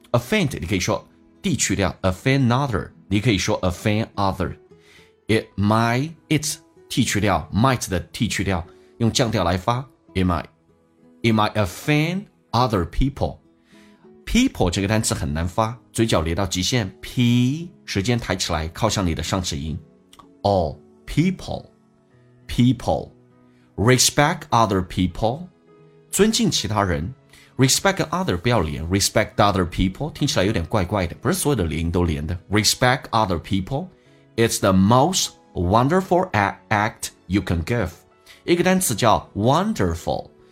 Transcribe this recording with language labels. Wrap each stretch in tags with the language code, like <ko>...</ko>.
<zh>Offend 你可以说 D 去掉 offend another, 你可以说 offend other. It might, it T 去掉 might 的 T 去掉，用降调来发 It might.</zh> <en>It might offend other people.</en> <zh>People 这个单词很难发，嘴角咧到极限 P 舌尖抬起来靠向你的上齿龈。</zh> <en>All people, people, respect other people,</en> <zh>尊敬其他人</zh> <en>respect other 不要连 respect other people,</en> <zh>听起来有点怪怪的，不是所有的连音都连的</zh> <en>respect other people, it's the most wonderful act you can give, 一个单词叫 wonderful,</en>